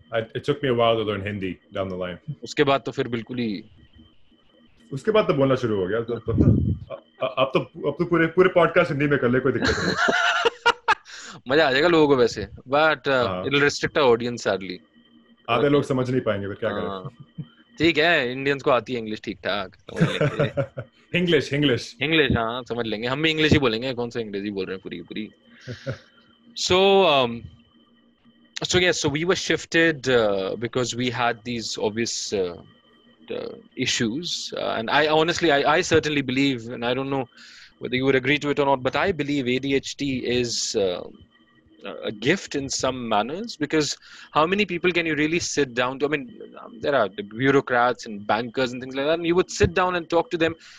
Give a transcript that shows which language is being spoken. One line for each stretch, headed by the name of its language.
English: It took me a while to learn Hindi down the line.
Hindi: Uske baad to fir bilkul hi. Uske baad to bolna shuru ho gaya. Ab to pure podcast Hindi mein kar le, koi dikkat nahi. मजा आ जाएगा लोगों को वैसे
English: but it'll restrict our audience sadly.
Hindi: आधे लोग समझ नहीं पाएंगे फिर क्या करें. ठीक है, इंडियंस को आती है इंग्लिश ठीक ठाक.
English: English
Hindi: हाँ समझ लेंगे हम भी. इंग्लिश ही बोलेंगे, कौन सा अंग्रेजी बोल रहे हैं पूरी.
English: So we were shifted because we had these obvious issues, and I certainly believe, and I don't know whether you would agree to it or not, but I believe ADHD is a gift in some manners, because how many people can you really sit down to? I mean, there are the bureaucrats and bankers and things like that, and you would sit down and talk to them.